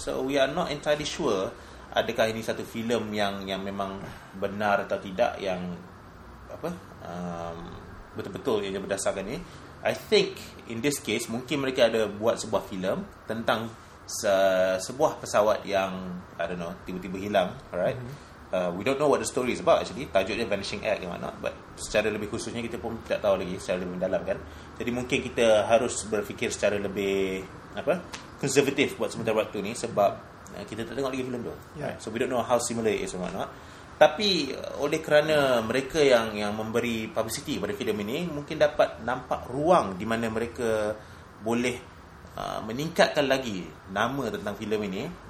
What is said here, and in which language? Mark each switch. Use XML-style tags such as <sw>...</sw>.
<en>So we are not entirely sure</en> <ms>adakah ini satu filem yang memang benar atau tidak, yang apa betul-betul yang berdasarkan ini.</ms> <en>I think in this case</en> <ms>mungkin mereka ada buat sebuah filem tentang sebuah pesawat yang</ms> <en>I don't know</en> <ms>tiba-tiba hilang, right?</ms> <en>We don't know what the story is about actually.</en> <ms>Tajuknya Vanishing Act</ms> <en>and whatnot,</en> <ms>but secara lebih khususnya kita pun tak tahu lagi secara lebih mendalam kan. Jadi mungkin kita harus berfikir secara lebih apa? Conservative buat sementara waktu ni sebab kita tak tengok lagi filem tu.</ms> <en>Yeah. Right? So we don't know how similar it is and whatnot.</en> <ms>Tapi oleh kerana mereka yang memberi publicity pada filem ini, mungkin dapat nampak ruang di mana mereka boleh meningkatkan lagi nama tentang filem ini.</ms>